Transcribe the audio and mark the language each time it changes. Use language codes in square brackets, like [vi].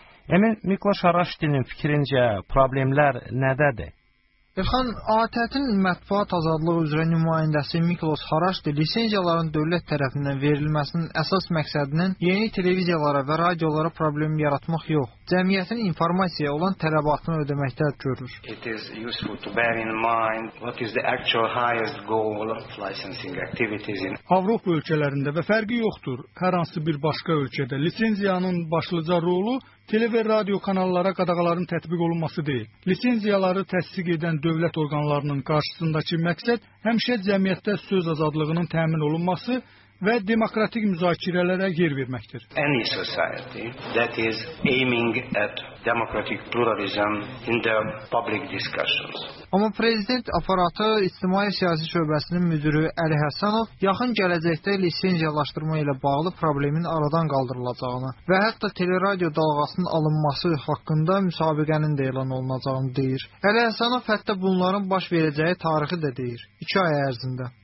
[az] Emin, Miklos Haraşti'nin fikrincə problemlər nədədir? Elxan, ATƏT-in mətbuat azadlığı üzrə nümayəndəsi Miklos Haraşti lisenziyaların dövlət tərəfindən verilməsinin əsas məqsədinin yeni televiziyalara və radiolara problem yaratmaq yox, cəmiyyətin informasiyaya olan tələbatını ödəməkdədir görür. [en] It is useful to bear in mind what is the actual highest goal of licensing activities in [az] Avropa ölkələrində və fərqi yoxdur. Hər hansı bir başqa ölkədə lisenziyanın başlıca rolu tele və radio kanallara qadağaların tətbiq olunması deyil. Lisenziyaları təsdiq edən dövlət orqanlarının qarşısındakı məqsəd həmişə cəmiyyətdə söz azadlığının təmin olunması və demokratik müzakirələrə yer verməkdir. [en] Any society that is aiming at democratic pluralism in the public discussions. [az] Amma Prezident Aparatı İctimai Siyasi Şöbəsinin müdürü Əli Həsənov yaxın gələcəkdə lisenziyalaşdırma ilə bağlı problemin aradan qaldırılacağını və hətta teleradio dalğasının alınması haqqında müsabiqənin də elan olunacağını deyir. Əli Həsənov hətta bunların baş verəcəyi tarixi də deyir, 2 ay ərzində.